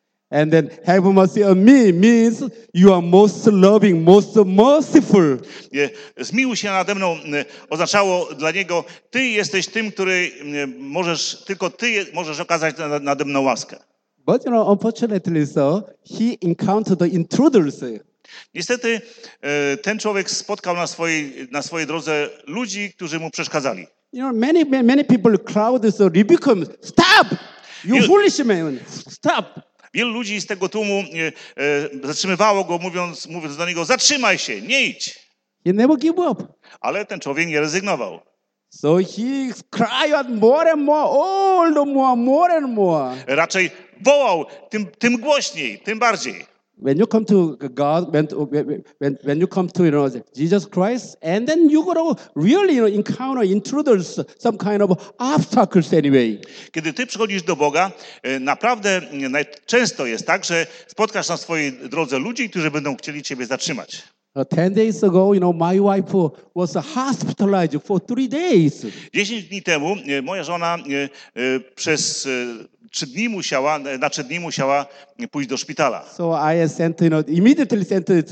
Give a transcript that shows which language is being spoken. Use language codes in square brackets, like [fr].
[en] And then have mercy on me means you are most loving, most merciful. [pl] Zmiłuj się nade mną oznaczało dla niego, ty jesteś tym, który możesz, tylko ty możesz okazać nade mną łaskę. [en] But, you know, unfortunately so, he encountered the intruders. [pl] Niestety ten człowiek spotkał na swojej drodze ludzi, którzy mu przeszkadzali. [en] You know, many people crowd so rebuke him. Stop! You foolish man! Stop! [pl] Wielu ludzi z tego tłumu zatrzymywało go, mówiąc do niego: zatrzymaj się, nie idź. [en] He never give up. [pl] Ale ten człowiek nie rezygnował. [en] So he cried more and more, all the more and more. [pl] Raczej wołał tym głośniej, tym bardziej. [en] When you come to God, when you come to, you know, Jesus Christ, and then you gotta really, you know, encounter intruders, some kind of obstacles anyway. [pl] Kiedy ty przychodzisz do Boga, naprawdę najczęściej jest tak, że spotkasz na swojej drodze ludzi, którzy będą chcieli ciebie zatrzymać. [en] 10 days ago, you know, my wife was hospitalized for 3 days. [pl] 10 dni temu moja żona przez 3 dni musiała pójść do szpitala. [en] So I sent, you know, immediately sent